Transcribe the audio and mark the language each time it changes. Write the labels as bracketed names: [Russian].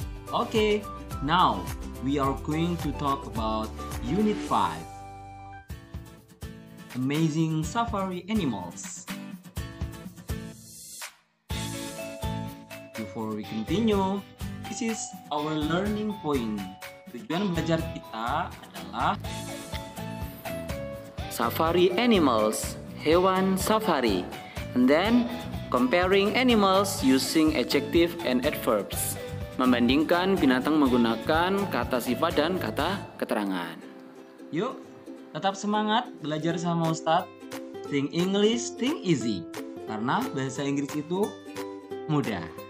[English] Okay, now we are going to talk about Unit 5. Amazing safari animals. Before we continue, this is our learning point. [Indonesian] Tujuan belajar kita adalah [English] safari animals, [Indonesian] hewan safari, [English] and then comparing animals using adjective and adverbs, [Indonesian] membandingkan binatang menggunakan kata sifat dan kata keterangan. Yuk, tetap semangat belajar sama Ustaz. [English] Think English, think easy. [Indonesian] Karena bahasa Inggris itu mudah.